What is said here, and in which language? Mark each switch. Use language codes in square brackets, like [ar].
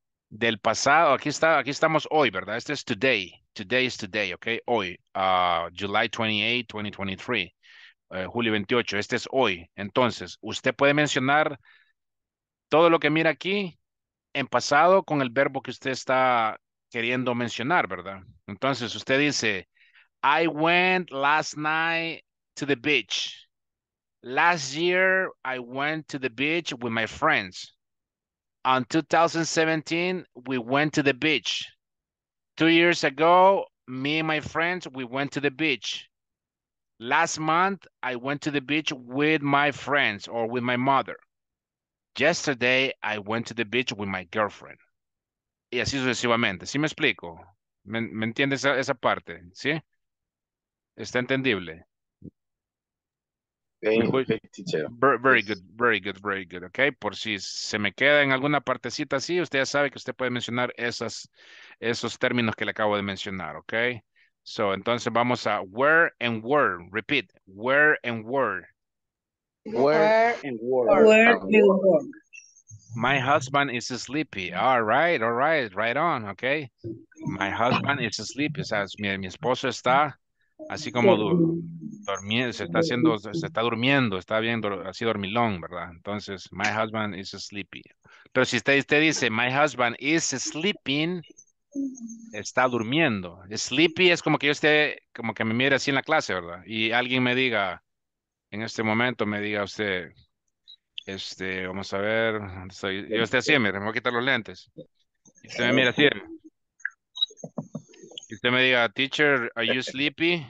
[es] Del pasado, aquí estamos hoy, ¿verdad? Este es today, [en] today is today, [es] ¿ok? Hoy, July 28, 2023, julio 28, este es hoy. Entonces, usted puede mencionar todo lo que mira aquí en pasado con el verbo que usted está queriendo mencionar, ¿verdad? Entonces, usted dice, [en] I went last night to the beach. Last year, I went to the beach with my friends. On 2017, we went to the beach. 2 years ago, me and my friends, we went to the beach. Last month, I went to the beach with my friends or with my mother. Yesterday, I went to the beach with my girlfriend. [es] Y así sucesivamente. ¿Sí me explico? ¿Me entiendes esa parte? ¿Sí? ¿Está entendible? [en] Very good, very good, very good. [es] Ok, por si se me queda en alguna partecita así, usted ya sabe que usted puede mencionar esos términos que le acabo de mencionar. [en] Ok, so [es] entonces vamos a [en] where and were. Repeat, where and were. Where and work. My husband is sleepy. All right, okay. My husband is sleepy. [es] O sea, mi esposo está así como durmiendo, se está durmiendo, está viendo así dormilón, ¿verdad? Entonces, [en] my husband is sleepy. [es] Pero si usted dice, [en] my husband is sleeping, [es] está durmiendo. Sleepy es como que yo esté, como que me mire así en la clase, ¿verdad? Y alguien me diga, en este momento me diga usted, vamos a ver, yo estoy así, mire, me voy a quitar los lentes. Y usted me mira así. Y usted me diga, teacher, [en] are you sleepy?